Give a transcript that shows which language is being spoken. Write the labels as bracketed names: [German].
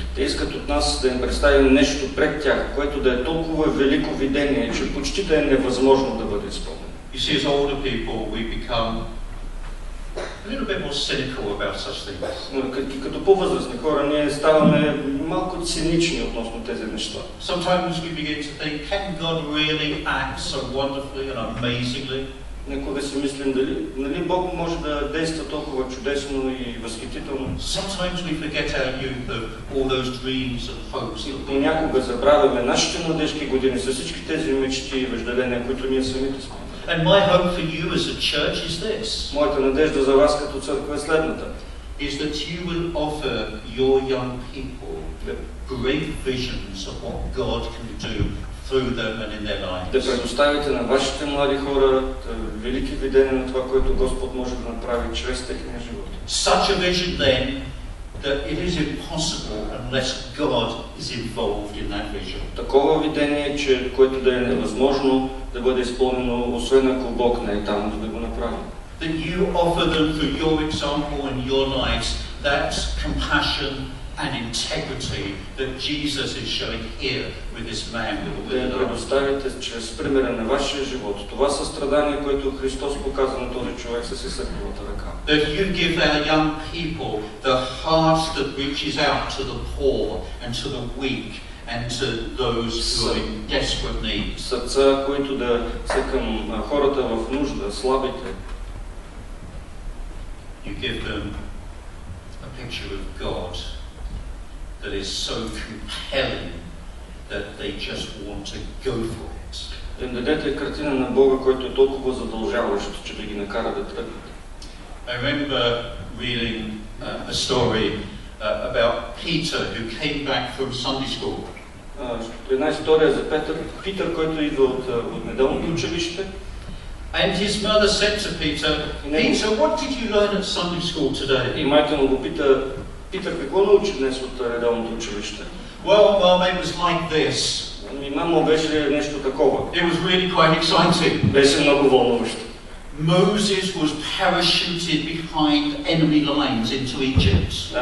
[Bulgarian] Те искат от нас да им представим нещо пред тях, което да е толкова велико видение, че почти да е невъзможно да бъде изпълнено. [English] You see, as older people, we become a little bit more cynical about such things. [Bulgarian] Като по-възрастни хора, ние ставаме малко цинични относно тези неща. [English] Sometimes we begin to think, can God really act so wonderfully and amazingly? [Bulgarian] Някога си мислим, нали Бог може да действа толкова чудесно и възхитително. [English] Sometimes we forget our youth of all those dreams and hopes. [Bulgarian] Понякога забравяме нашите младежки години с всички тези мечти и въжделения, които ние самите сме. [English] And my hope for you as a church is this. [Bulgarian] Моята надежда за вас като църква е следната. [English] Is that you will offer your young people great visions of what God can do through them and in their lives. [Bulgarian] Да предоставите на вашите млади хора велики видения на това, което Господ може да направи чрез техния живот. [English] Such a vision then that it is impossible unless God is involved in that vision. [Bulgarian] Такова видение, че което да е невъзможно да бъде изпълнено, освен ако Бог не е там, за да го направи. [English] That you offer them through your example and your lives that compassion and integrity that Jesus is showing here with this man. [Bulgarian] Да предоставите чрез примера на вашия живот това състрадание, което Христос показва на този човек с изсъхналата ръка. [English] That you give our young people the heart that reaches out to the poor and to the weak and to those who are in desperate need. [Bulgarian] Сърца, които да са към хората в нужда, слабите. [English] You give them a picture of God that is so compelling that they just want to go for it. [Bulgarian] Им дадете картина на Бога, който е толкова задължаващ, че да ги накара да тръгнат. [English] I remember reading a story about Peter who came back from Sunday school. [Bulgarian] Една история за Петър. Питър, който идва от неделното училище. [English] And his mother said to Peter, Peter, what did you learn at Sunday school today? [Bulgarian] И майка му го пита, Питър, какво научи днес от неделното училище? [English] Well, mom, it was like this. [Bulgarian] И мамо, беше нещо такова. [English] It was really quite exciting. [Bulgarian] Беше много вълнуващо. [English] Moses was parachuted behind enemy lines into Egypt.